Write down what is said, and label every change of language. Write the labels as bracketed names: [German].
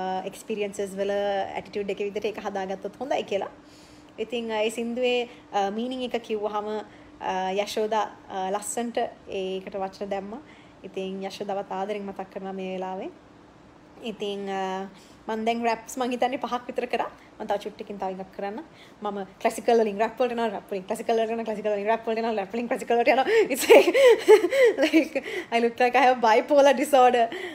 [Sinhala] experiences wala attitude ekak widata eka hada gattot hondai kiyala iting e sinduwe meaning ekak kiywahama යශෝද ලස්සන්ට ඒකට වචන දැම්මා. ඉතින් යශෝදවත් ආදරෙන් මතක් කරනවා මේ වෙලාවේ. ඉතින් මම දැන් රැප්ස් මං හිතන්නේ පහක් විතර කරා. මම තව චුට්ටකින් තව එකක් කරන්න. මම ක්ලැසිකල් වලින් රැප් වලට යනවා, රැප් වලින් ක්ලැසිකල් වලට යනවා, ක්ලැසිකල් වලින් රැප් වලට යනවා, රැප් වලින් ක්ලැසිකල් වලට යනවා. [English] It's like I look like I have bipolar disorder.